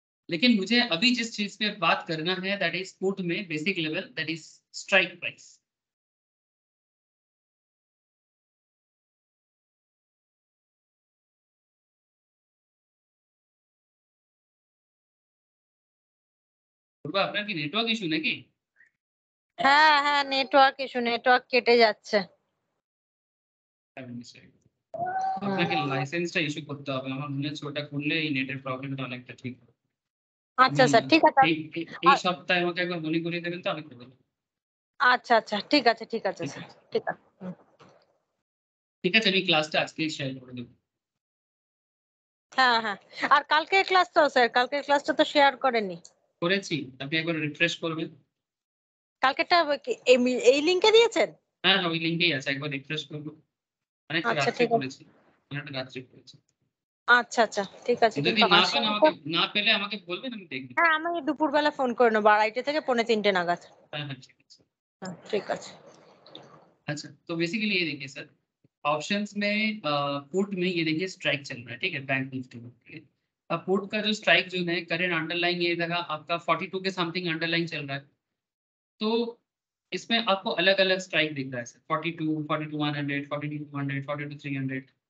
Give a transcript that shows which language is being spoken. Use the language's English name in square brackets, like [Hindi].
[Hindi] लेकिन मुझे अभी जिस चीज पे बात करना है दैट इज पुट में basic level that is strike price अपना की नेटवर्क इशू ना कि हाँ हाँ नेटवर्क इशू नेटवर्क कटे जाते [Bangla] আপনাকে লাইসেন্সটা ইস্যু করতে হবে আমার মনে হচ্ছে, ওটা করলে এই নেটের প্রবলেমটা অনেকটা ঠিক হবে। আচ্ছা স্যার ঠিক আছে, এই সপ্তাহে আমাকে একবার মনে করিয়ে দেবেন তো অনেকটা। আচ্ছা আচ্ছা ঠিক আছে ঠিক আছে স্যার, ঠিক আছে ঠিক আছে, আমি ক্লাসটা আজকে শেয়ার করে দেব। হ্যাঁ হ্যাঁ, আর কালকের ক্লাস তো স্যার, কালকের ক্লাসটা তো শেয়ার করেনি। করেছি, আপনি একবার রিফ্রেশ করবেন। কালকেরটা কি এই লিংকে দিয়েছেন? হ্যাঁ ওই লিংকেই আছে, একবার রিফ্রেশ করব। অনেক রাত্রি করেছি, অনেক রাত্রি করেছি। আচ্ছা আচ্ছা ঠিক আছে, যদি না পেলে আমাকে, না পেলে আমাকে বলবেন, আমি দেখব। হ্যাঁ আমি দুপুরবেলা ফোন করে নেব, 2:30 থেকে 2:45 নাগাদ। হ্যাঁ হ্যাঁ ঠিক আছে, হ্যাঁ ঠিক আছে। আচ্ছা তো বেসিক্যালি এই [Hindi] দেখিয়ে স্যার ऑप्शंस में पुट में ये देखिए स्ट्राइक चल रहा है, ठीक है, बैंक निफ्टी में। अब पुट का जो स्ट्राइक जो है करेंट अंडरलाइन ये लगा आपका 42 के समथिंग अंडरलाइन चल रहा है, तो इसमें आपको अलग अलग स्ट्राइक दिख रहा है 42, 42100, 42200, 42300।